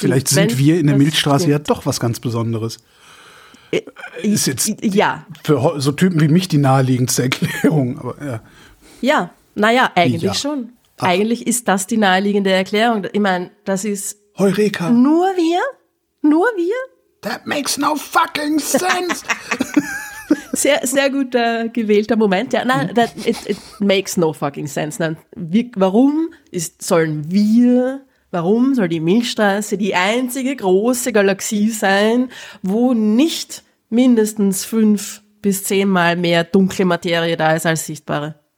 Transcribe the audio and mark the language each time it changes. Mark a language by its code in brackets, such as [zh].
[de] vielleicht sind wir in der Milchstraße ja doch was ganz Besonderes. Ist jetzt für so Typen wie mich die naheliegendste Erklärung. Aber, ja. Ja, naja, eigentlich schon. Ach. Eigentlich ist das die naheliegende Erklärung. Ich meine, das ist Heureka. Nur wir? Nur wir? [en] That makes no fucking sense! [de] Sehr, sehr gut gewählter Moment. Ja, nein, [en] it makes no fucking sense. [de] Nein, warum soll die Milchstraße die einzige große Galaxie sein, wo nicht mindestens 5 bis 10 Mal mehr dunkle Materie da ist als sichtbare?